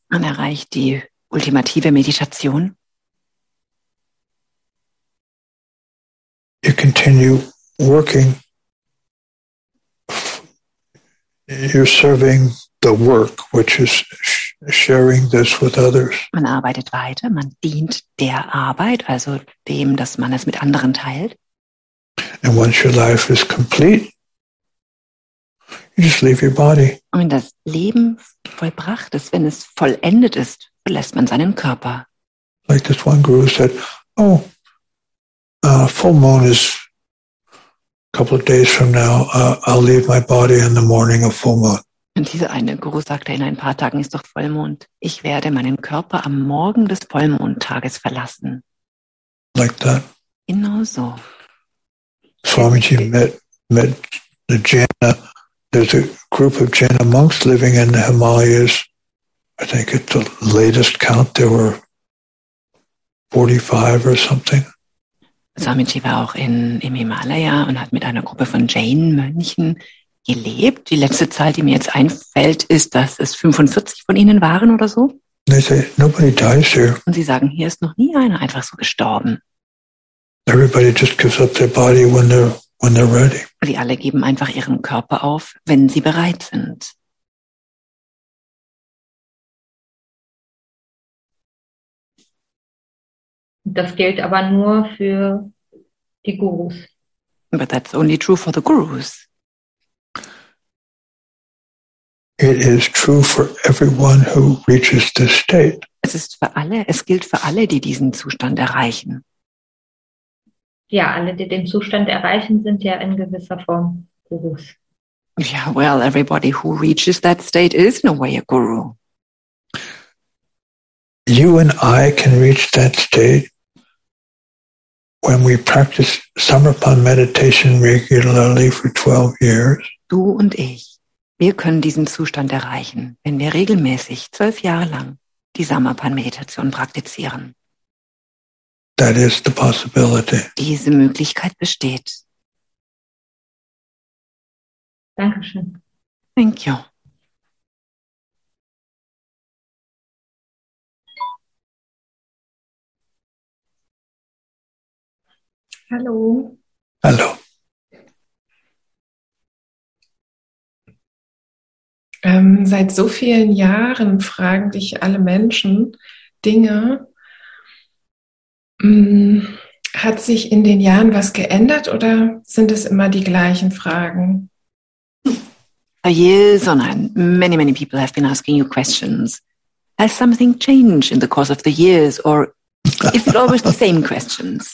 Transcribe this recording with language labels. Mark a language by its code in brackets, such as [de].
[de] Man erreicht die ultimative Meditation. [en] You continue working. You're serving the work, which is sharing this with others. [de] Man arbeitet weiter, man dient der Arbeit, also dem, dass man es mit anderen teilt. [en] And once your life is complete, you just leave your body. [de] Und wenn das Leben vollbracht ist, wenn es vollendet ist, lässt man seinen Körper. [en] Like this one guru said, oh, full moon is a couple of days from now. I'll leave my body in the morning of full moon. [de] Und dieser eine Guru sagte, in ein paar Tagen ist doch Vollmond. Ich werde meinen Körper am Morgen des Vollmondtages verlassen. [en] Like that. [de] Genau so. [en] Swamiji met the Jaina. There's a group of Jaina monks living in the Himalayas. I think at the latest count there were 45 or something. [de] Swamiji war auch im Himalaya und hat mit einer Gruppe von Jain-Mönchen gelebt. Die letzte Zahl, die mir jetzt einfällt, ist, dass es 45 von ihnen waren oder so. [en] They say, nobody dies here. [de] Und sie sagen, hier ist noch nie einer einfach so gestorben. [en] Everybody just gives up their body when they're ready. [de] Sie alle geben einfach ihren Körper auf, wenn sie bereit sind. Das gilt aber nur für die Gurus. [en] But that's only true for the Gurus. It is true for everyone who reaches this state. [de] Es ist für alle, es gilt für alle, die diesen Zustand erreichen. Ja, alle, die den Zustand erreichen, sind ja in gewisser Form Gurus. [en] Yeah, well, everybody who reaches that state is in a way a guru. You and I can reach that state when we practice Samarpan meditation regularly for 12 years. [de] Du und ich, wir können diesen Zustand erreichen, wenn wir regelmäßig 12 Jahre lang die Samarpan-Meditation praktizieren. [en] That is the possibility. [de] Diese Möglichkeit besteht. Dankeschön. [en] Thank you. [de] Hallo. Hallo. Seit so vielen Jahren fragen dich alle Menschen Dinge. Hat sich in den Jahren was geändert oder sind es immer die gleichen Fragen? [en] For years on end, many, many people have been asking you questions. Has something changed in the course of the years or is it always the same questions?